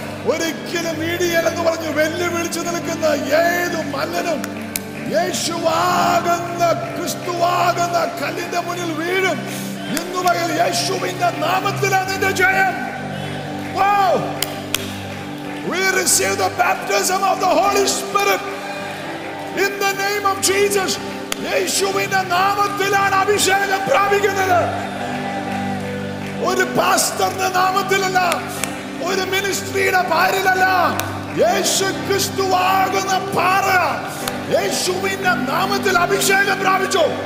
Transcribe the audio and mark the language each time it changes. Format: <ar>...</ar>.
<ml>ഒരിക്കലും മീഡിയ എന്ന് പറഞ്ഞു വെല്ലുവിളിച്ചു നിൽക്കുന്ന ഏതു മല്ലനും യേശുവാകുന്ന ക്രിസ്തുവാകുന്ന കല്ലിന്റെ മുന്നിൽ വീഴും. ഇന്നു പകൽ യേശുവിന്റെ നാമത്തിലാണ് നിന്റെ ജയം.</ml> <en>Wow! We receive the baptism of the Holy Spirit in the name of Jesus.</en> <ml>യേശുവിന്റെ നാമത്തിലാണ് അഭിഷേകം പ്രാപിക്കുന്നത്. ഒരു പാസ്റ്ററിന്റെ നാമത്തിലല്ല, ഒരു മിനിസ്ട്രിയുടെ പാരിലല്ല, യേശു ക്രിസ്തുവാകുന്ന പാറ യേശുവിന്റെ നാമത്തിൽ അഭിഷേകം പ്രാപിച്ചു.</ml>